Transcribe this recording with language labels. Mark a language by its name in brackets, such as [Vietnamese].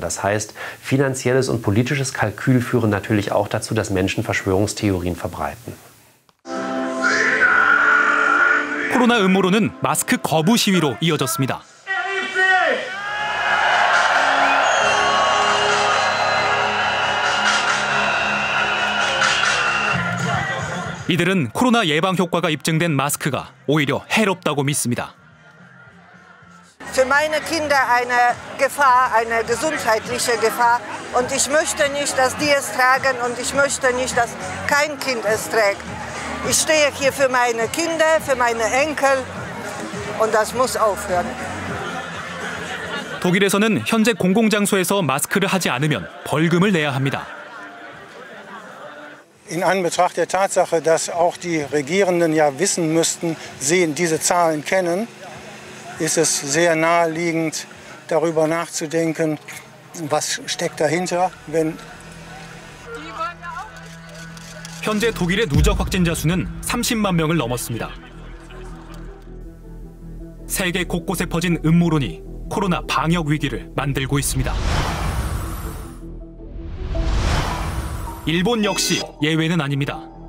[German] Das heißt, finanzielles und politisches Kalkül führen natürlich auch dazu, dass Menschen Verschwörungstheorien verbreiten. [Korean] 코로나 음모론은 마스크 거부 시위로 이어졌습니다. 이들은 코로나 예방 효과가 입증된 마스크가 오히려 해롭다고 믿습니다. [German] Für meine Kinder eine Gefahr, eine gesundheitliche Gefahr. Und ich möchte nicht, dass die es tragen und ich möchte nicht, dass kein Kind es trägt. Ich stehe hier für meine Kinder, für meine Enkel und das muss aufhören. [Korean] 독일에서는 현재 공공장소에서 마스크를 하지 않으면 벌금을 내야 합니다. [German] In Anbetracht der Tatsache, dass auch die Regierenden ja wissen müssten, sehen diese Zahlen kennen, ist es sehr naheliegend, darüber nachzudenken, was steckt dahinter, wenn [Korean] 현재 독일의 누적 확진자 수는 30만 명을 넘었습니다. 세계 곳곳에 퍼진 음모론이 코로나 방역 위기를 만들고 있습니다. 일본 역시 예외는 아닙니다.